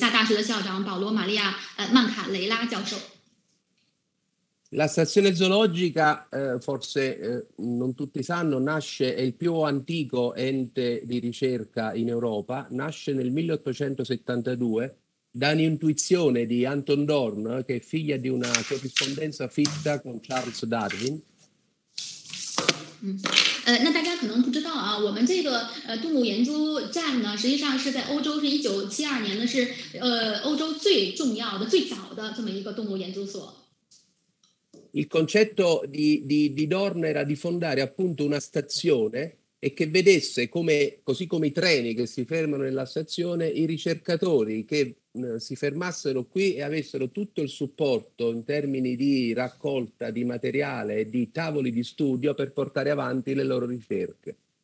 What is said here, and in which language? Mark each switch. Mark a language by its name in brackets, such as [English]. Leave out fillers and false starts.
[Chinese] 那非常感谢对我的邀请，那我是这个安东多恩工作动物站工作的，我呢是代表了罗贝托达诺瓦罗教授，他的这个对大家的问候。那我借此机会呢，也问候今天参加活动的主要的嘉宾，意大利驻中国大使方兰毅先生，还有意大利环境保护与研究高等研究院的斯特法诺拉波尔塔博士，还有浙江海洋大学的书记严晓军教授，还有这个比萨大学的校长保罗玛利亚曼卡雷拉教授。 [Italian] La stazione zoologica, forse non tutti sanno, è il più antico ente di ricerca in Europa. Nasce nel 1872 da un'intuizione di Anton Dorn, che è figlia di una corrispondenza fitta con Charles Darwin. [Chinese] 那大家可能不知道啊，我们这个动物研究站呢，实际上是在欧洲，是1972年呢，是欧洲最重要的、最早的这么一个动物研究所。 [Italian] Il concetto di Dorn era di fondare appunto una stazione e che vedesse, come, così come i treni che si fermano nella stazione, i ricercatori che si fermassero qui e avessero tutto il supporto in termini di raccolta di materiale e di tavoli di studio per portare avanti le loro ricerche.